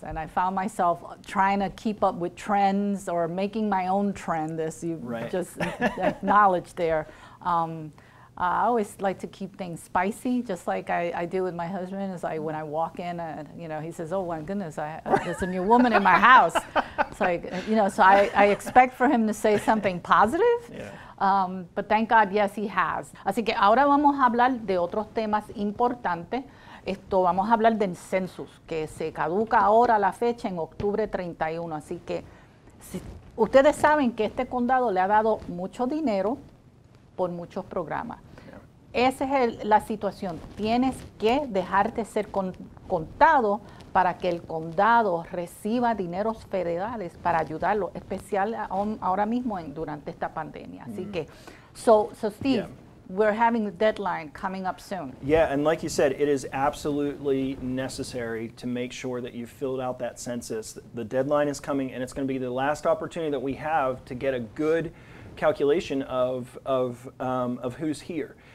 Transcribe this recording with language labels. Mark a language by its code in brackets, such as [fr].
[en] And I found myself trying to keep up with trends or making my own trend, as you just acknowledged there. I always like to keep things spicy, just like I do with my husband. It's like when I walk in, you know, he says, oh my goodness, there's a new woman in my house. It's like, you know, so I expect for him to say something positive. Yeah. But thank God, yes, he has. [es] Así que ahora vamos a hablar de otros temas importantes. Esto, vamos a hablar del census, que se caduca ahora la fecha en octubre 31. Así que si, ustedes saben que este condado le ha dado mucho dinero por muchos programas. Esa es la situación. Tienes que dejarte ser contado para que el condado reciba dineros federales para ayudarlo, especialmente ahora mismo durante esta pandemia. Así que, [en] so Steve, we're having the deadline coming up soon. Yeah, and like you said, it is absolutely necessary to make sure that you've filled out that census. The deadline is coming, and it's going to be the last opportunity that we have to get a good calculation of who's here.